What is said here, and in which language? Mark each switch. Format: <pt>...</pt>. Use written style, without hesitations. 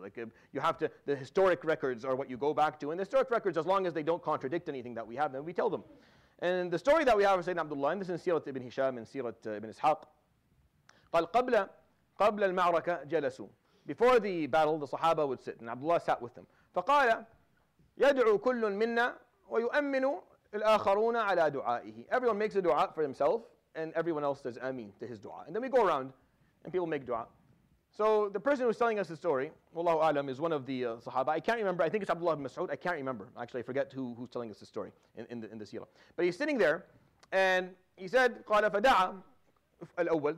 <en>Like you have to, the historic records are what you go back to. And the historic records, as long as they don't contradict anything that we have, then we tell them. And the story that we have of Sayyidina Abdullah, and this is in Sirat ibn Hisham and Sirat ibn Ishaq.</en> <ar>قال قبل المعركة جلسوا.</ar> <en>Before the battle, the Sahaba would sit, and Abdullah sat with them.</en> <ar>فقال يدعو كل منا ويؤمن الآخرون على دعائه.</ar> <en>Everyone makes a dua for himself, and everyone else says Ameen to his dua. And then we go around, and people make dua. So the person who's telling us the story, Wallahu A'lam, is one of the Sahaba. I can't remember. I think it's Abdullah ibn Mas'ud. I can't remember. Actually, I forget who's telling us the story in the seerah. But he's sitting there, and he said,</en> <ar>قَالَ فَدَعَ الْأَوَّلِ.</ar>